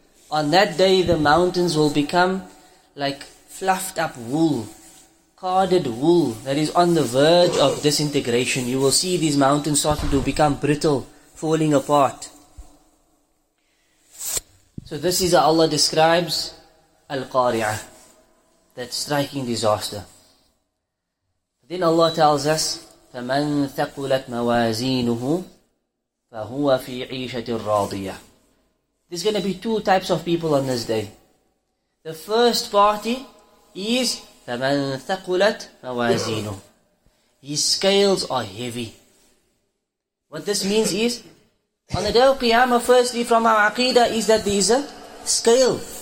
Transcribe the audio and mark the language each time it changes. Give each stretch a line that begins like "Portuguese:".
English: On that day, the mountains will become like fluffed up wool, carded wool that is on the verge of disintegration. You will see these mountains starting to become brittle, falling apart. So this is how Allah describes Al-Qari'ah, that striking disaster. Then Allah tells us,
Arabic: فَمَنْ ثَقُلَتْ مَوَازِينُهُ فَهُوَ فِي عِيشَةٍ رَاضِيَةٍ.
English: There's going to be two types of people on this day. The first party is,
Arabic: فَمَنْ ثَقُلَتْ مَوَازِينُهُ.
English: His scales are heavy. What this means is, on the day of Qiyamah, firstly from our aqeedah is that there is a scale.